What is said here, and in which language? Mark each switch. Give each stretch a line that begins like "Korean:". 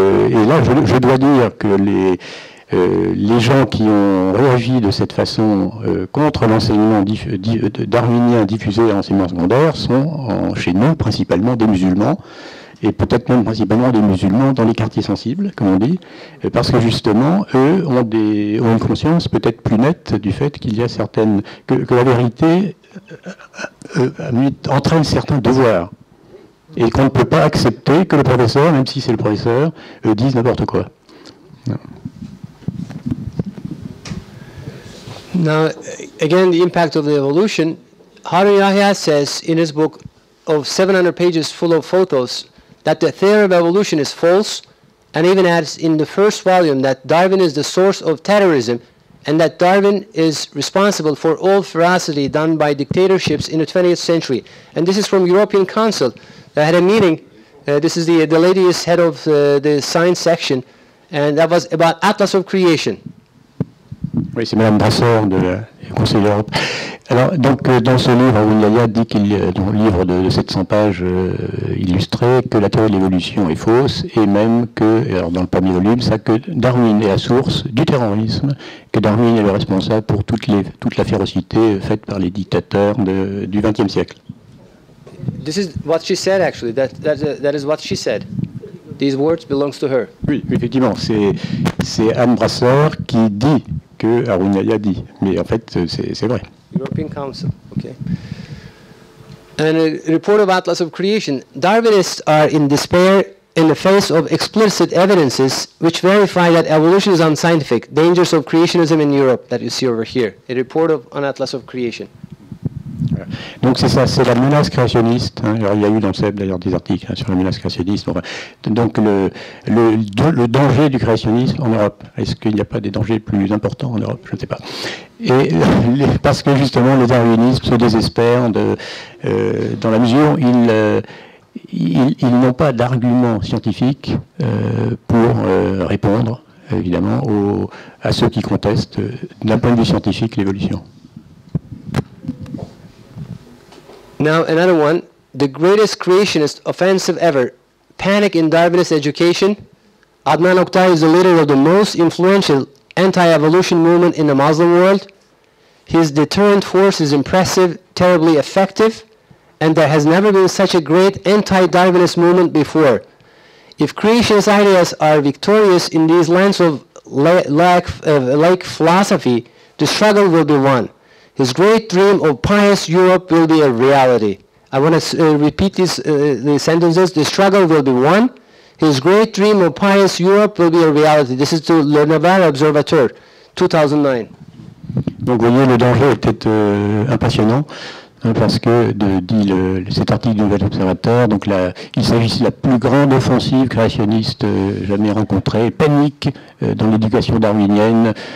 French: Et là, je dois dire que les gens qui ont réagi de cette façon contre l'enseignement darwinien diffusé à l'enseignement secondaire sont chez nous principalement des musulmans, et peut-être même principalement des musulmans dans les quartiers sensibles, comme on dit, parce que justement, eux ont une conscience peut-être plus nette du fait qu'il y a certaines... que la vérité entraîne certains devoirs, et qu'on ne peut pas accepter que le professeur, même si c'est le professeur, dise n'importe quoi. Non.
English: Now, again, the impact of the evolution. Harun Yahya says in his book of 700 pages full of photos that the theory of evolution is false, and even adds in the first volume that Darwin is the source of terrorism and that Darwin is responsible for all ferocity done by dictatorships in the 20th century. And this is from European Council. I had a meeting. This is the lady is head of the science section, and that was about Atlas of Creation.
French: Oui, c'est Madame Brasseur de la Conseil d'Europe. Alors, donc, dans ce livre, Wundayya dit qu'il, dans le livre de 700 pages illustré, que la théorie de l'évolution est fausse, et même que, alors dans le premier volume, ça, que Darwin est la source du terrorisme, que Darwin est le responsable pour toute la férocité faite par les dictateurs du XXe siècle.
English: This is what she said, actually. That is what she said. These words belong to her.
French: Oui, effectivement, c'est Anne Brasseur qui dit que Wundayya dit. Mais en fait, c'est vrai.
English: European Council, okay. And a report of Atlas of Creation. Darwinists are in despair in the face of explicit evidences which verify that evolution is unscientific. Dangers of creationism in Europe, that you see over here. A report of an Atlas of Creation.
French: Donc c'est ça, c'est la menace créationniste. Hein. Alors, il y a eu dans le CEP d'ailleurs des articles hein, sur la menace créationniste. Enfin, donc le danger du créationnisme en Europe. Est-ce qu'il n'y a pas des dangers plus importants en Europe? Je ne sais pas. Et parce que justement les darwinistes se désespèrent dans la mesure où ils n'ont pas d'arguments scientifiques pour répondre évidemment à ceux qui contestent d'un point de vue scientifique l'évolution.
English: Now another one, the greatest creationist offensive ever, panic in Darwinist education. Adnan Oktay is the leader of the most influential anti-evolution movement in the Muslim world. His deterrent force is impressive, terribly effective, and there has never been such a great anti-Darwinist movement before. If creationist ideas are victorious in these lands of lake philosophy, the struggle will be won. His great dream of pious Europe will be a reality. I want to repeat these sentences. The struggle will be won. His great dream of pious Europe will be a reality. This is to Le Nouvel Observateur, 2009.
French: Donc, vous voyez, le danger est peut-être impressionnant, hein, parce que, dit cet article du Nouvel Observateur, donc là, il s'agit de la plus grande offensive créationniste jamais rencontrée, panique dans l'éducation darwinienne.